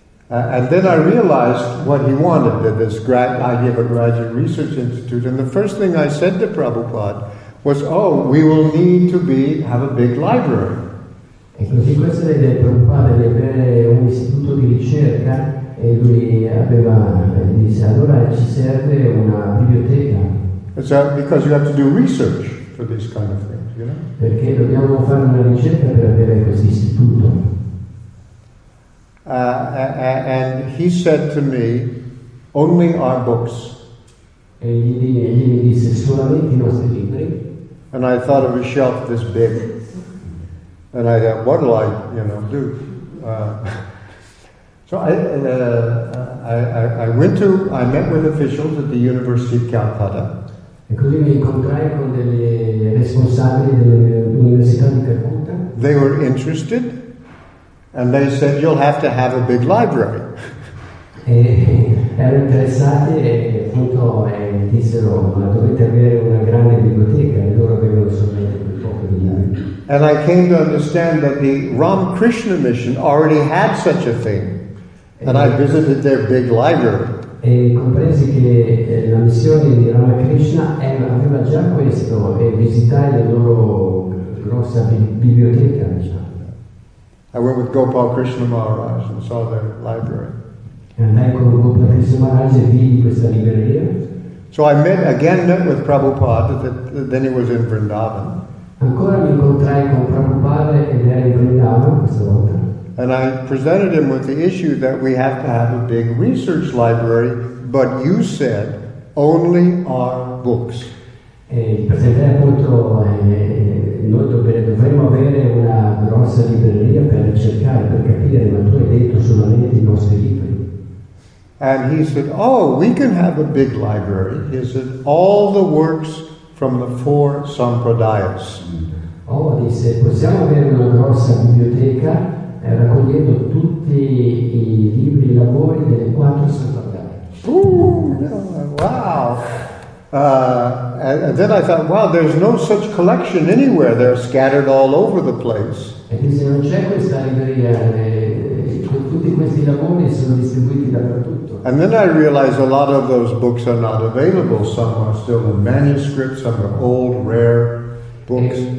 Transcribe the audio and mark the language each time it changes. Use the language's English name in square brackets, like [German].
[English] And then I realized what he wanted, that this idea of a graduate research institute. And the first thing I said to Prabhupada was, oh, we will need to have a big library. [Italian] E così questo è il preoccupato di avere un istituto di ricerca e lui disse allora ci serve una biblioteca. [English] It's because you have to do research for these kind of things, you know? [Italian] Perché dobbiamo fare una ricerca per avere questo istituto. [English] And he said to me, only our books. [Italian] E gli disse solamente I nostri libri. [English] And I thought of a shelf this big. And I thought, what will I, you know, do? So I met with officials at the University of Calcutta. [Italian] E così mi incontrai con delle responsabili dell'Università di Calcutta. [English] They were interested, and they said, you'll have to have a big library. [Italian] Erano interessati e appunto dissero, ma dovete avere una grande biblioteca, e loro avevano solamente [English] And I came to understand that the Ramakrishna Mission already had such a thing, and I visited their big library. [Italian] E compresi che la missione di Ramakrishna aveva già questo e visitai la loro grossa biblioteca, diciamo. [English] I went with Gopal Krishna Maharaj and saw their library. [Italian] Andai con Gopal Krishna Maharaj e vidi questa libreria. [English] So I met with Prabhupada. Then he was in Vrindavan. [Italian] Ancora mi incontrai con Prabhupada ed era in Vrindavan questa volta. [English] And I presented him with the issue that we have to have a big research library, but you said only our books. [Italian] E presentai appunto noi dovremmo avere una grossa libreria per cercare, per capire, ma tu hai detto solamente I nostri libri. [English] And he said, oh, we can have a big library. He said, all the works from the four sampradayas. [Italian] Oh, disse, possiamo avere una grossa biblioteca raccogliendo tutti I libri e lavori delle quattro sampradayas. [English] Wow! And then I thought, wow, there's no such collection anywhere. They're scattered all over the place. [Italian] E disse, non c'è questa libreria con tutti questi lavori sono distribuiti dappertutto. [English] And then I realized a lot of those books are not available. Some are still in manuscript, some are old, rare books.